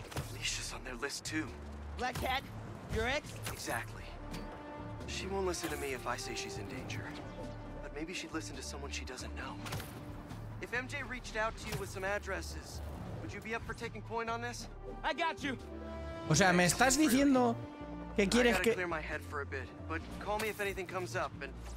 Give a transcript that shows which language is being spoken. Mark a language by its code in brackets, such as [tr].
[en] Alicia's on their list too. Black Cat? Your ex? Exactly. She won't listen to me if I say she's in danger. But maybe she'd listen to someone she doesn't know. If MJ reached out to you with some addresses, would you be up for taking point on this? I got you! [es] O sea, me estás diciendo que quieres que... [en] clear my head for a bit, but call me if anything comes up, and...